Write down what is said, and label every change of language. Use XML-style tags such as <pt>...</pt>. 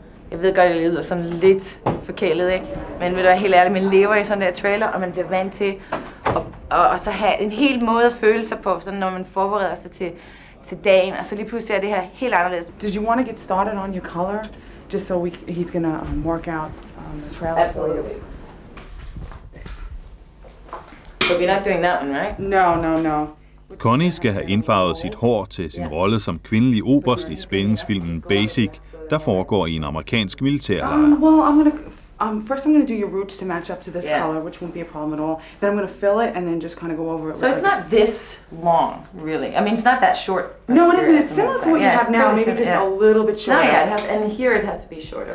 <da>Jeg ved godt, at jeg lyder sådan lidt forkælet, ikke? Men vil du være helt ærlig, man lever i sådan der trailer, og man bliver vant til at så have en hel måde at føle sig på, sådan når man forbereder sig til dagen, og så lige pludselig er det her helt anderledes.</da> <en>Did you want to get started on your color, just so he's gonna work out the trailer? Absolutely. But we're not doing that one, right? No.</en> <da>Connie skal have indfarvet sit hår til sin rolle som kvindelig oberst i spændingsfilmen Basic, der foregår i en amerikansk militærlejr.</da> <en>First I'm going to do your roots to match up to this color, which won't be a problem at all. Then I'm going to fill it and then just kind of go over it. So it's not this long, really. I mean, it's not that short. No, it isn't. It's similar to what you have now, maybe just a little bit shorter. No, yeah, and here it has to be shorter.</en>